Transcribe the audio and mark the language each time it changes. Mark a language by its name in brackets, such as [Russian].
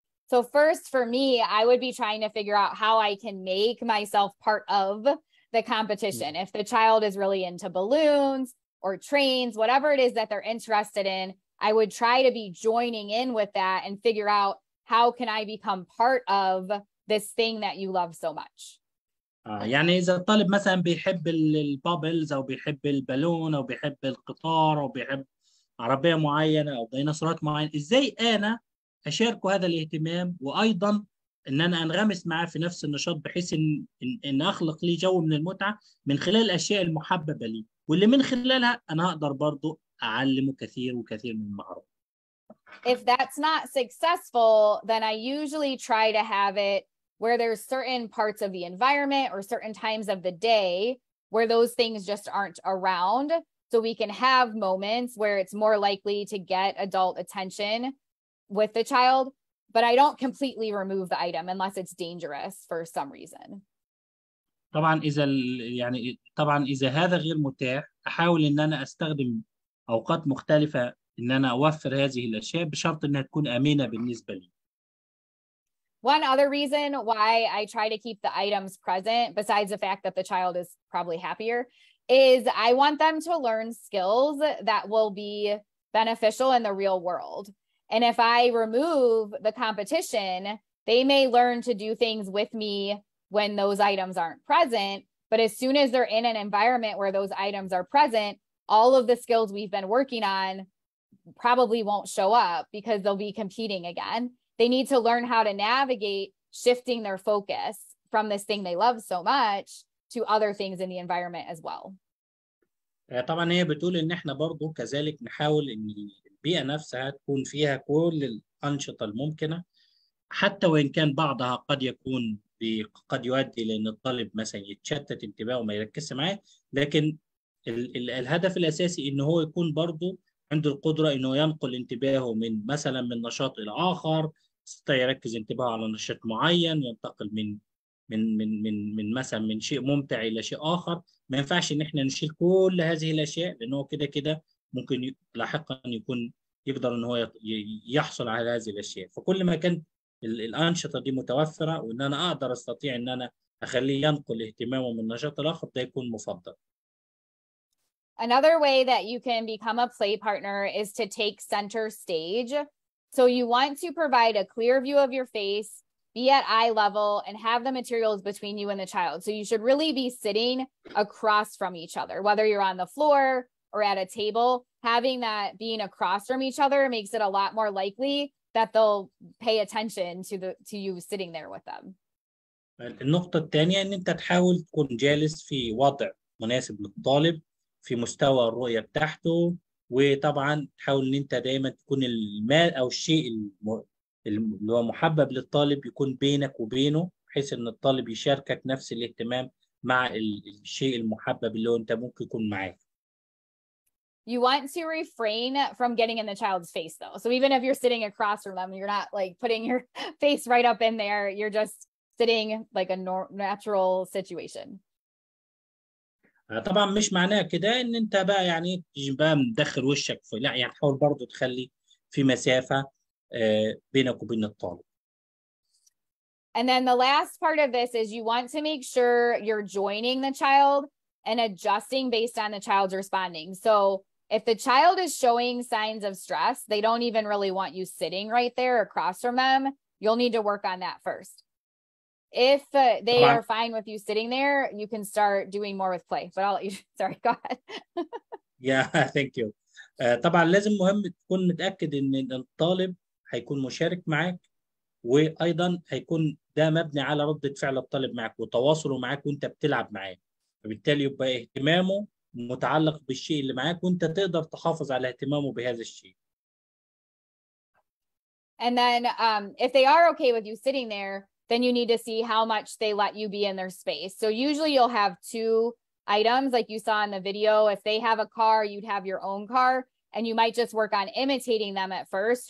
[English] So first for me, I would be trying to figure out how I can make myself part of the competition. If the child is really into balloons or trains, whatever it is that they're interested in, I would try to be joining in with that and figure out how can I become part of this thing that you love so much. [Arabic] يعني إذا الطالب مثلا بيحب البابلز أو بيحب البالون أو بيحب القطار أو بيحب عربية معينة أو ديناصورات معينة إزاي أنا أشاركه هذا الاهتمام وأيضا إن أنا أنغمس معاه في نفس النشاط بحيث إن أخلق لي جو من المتعة من خلال الأشياء المحببة لي واللي من خلالها أنا أقدر برضو أعلمه كثير وكثير من المهارات. [English] If that's not successful, then I usually try to have it where there's certain parts of the environment or certain times of the day where those things just aren't around. So we can have moments where it's more likely to get adult attention with the child, but I don't completely remove the item unless it's dangerous for some reason. [Arabic] طبعا اذا يعني طبعا اذا هذا غير متاح احاول ان انا استخدم اوقات مختلفه ان انا اوفر هذه الاشياء بشرط انها تكون امنه بالنسبه لي. [English] One other reason why I try to keep the items present, besides the fact that the child is probably happier, is I want them to learn skills that will be beneficial in the real world. And if I remove the competition, they may learn to do things with me when those items aren't present. But as soon as they're in an environment where those items are present, all of the skills we've been working on probably won't show up because they'll be competing again. They need to learn how to navigate shifting their focus from this thing they love so much to other things in the environment as well. [Arabic] طبعا هي بتقول ان احنا برضو كذلك نحاول ان البيئة نفسها تكون فيها كل الأنشطة الممكنة حتى وان كان بعضها قد يكون قد يؤدي لان الطالب مثلا يتشتت انتباهه وما يركز معاه لكن الهدف الأساسي ان هو يكون برضو عنده القدرة انه ينقل انتباهه من مثلا من نشاط الى اخر استطاع يركز انتباهه على نشاط معين ينتقل من من من من من مثلا من شيء ممتع الى شيء اخر ما ينفعش ان احنا نشيل كل هذه الاشياء لانه كده كده ممكن لاحقا يكون يقدر ان هو يحصل على هذه الاشياء فكل ما كان الانشطه دي متوفره وان انا اقدر استطيع ان انا اخليه ينقل اهتمامه من نشاط الاخر ده يكون مفضل. [English] Another way that you can become a play partner is to take center stage. So you want to provide a clear view of your face, be at eye level, and have the materials between you and the child. So you should really be sitting across from each other, whether you're on the floor or at a table. Having that being across from each other makes it a lot more likely that they'll pay attention to you sitting there with them. [Arabic] النقطة الثانية إن أنت تحاول تكون جالس في وضع مناسب للطالب في مستوى الرؤية بتاعته. وطبعا تحاول ان انت دايما تكون المال او الشيء اللي هو محبب للطالب يكون بينك وبينه بحيث ان الطالب يشاركك نفس الاهتمام مع الشيء المحبب اللي هو انت ممكن يكون معاه. [English] You want to refrain from getting in the child's face though. So even if you're sitting across from them, you're not like putting your face right up in there. You're just sitting like a natural situation. [Arabic] طبعا مش معناه كده ان انت بقى يعني بقى مدخل وشك في لا يعني حاول برضو تخلي في مسافة بينك وبين الطالب. [English] And then the last part of this is you want to make sure you're joining the child and adjusting based on the child's responding. So if the child is showing signs of stress, they don't even really want you sitting right there across from them. You'll need to work on that first. If they are fine with you sitting there, you can start doing more with play. But I'll let you, sorry, go ahead. thank you. [Arabic] طبعا لازم مهم تكون متأكد ان الطالب هيكون مشارك معك وايضا هيكون ده مبني على ردة فعل الطالب معك وتواصله معك وانت بتلعب معاه. فبالتالي يبقى اهتمامه متعلق بالشيء اللي معاك وانت تقدر تحافظ على اهتمامه بهذا الشيء. [English] And then if they are okay with you sitting there, then you need to see how much they let you be in their space. So usually you'll have two items like you saw in the video. If they have a car, you'd have your own car and you might just work on imitating them at first.